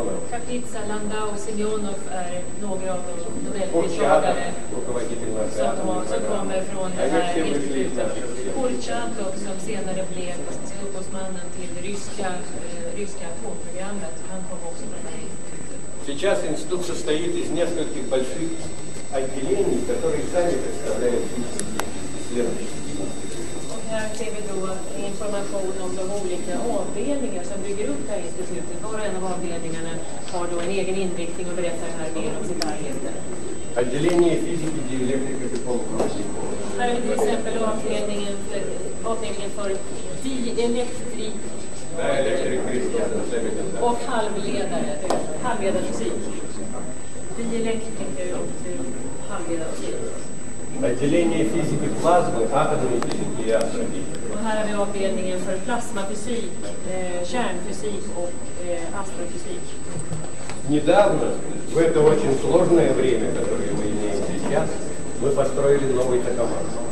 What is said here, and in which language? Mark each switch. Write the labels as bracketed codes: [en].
[sv] Kapitsa, Landau, Semyonov är några av de Nobelpristagare som kommer från det här institutet. Kurchatov som senare blev upphovsmannen till ryska atomprogrammet, han kom också från det här institutet. [ru] Сейчас институт состоит из нескольких больших отделений, которые сами представляют исследовательские институты. [sv] Och här ser vi då information om de olika avdelningar som bygger upp det här institutet. Var och en av avdelningarna har då en egen inriktning och berättar här mer om sitt arbete. [ru] Отделение физики, диэлектрика и полупроводников. [sv] Här är till exempel avdelningen för диэлектрик. [ru] Да, электрик. [sv] Och halvledarfysik. Диэлектрик, halvledarfysik. [ru] Отделение физики плазмы, атомной физики и астрофизики. [sv] Och här har vi avdelningen för plasmafysik, kärnfysik och astrofysik. [ru] Недавно, в это очень сложное время, которое мы имеем сейчас, мы построили новый токамак.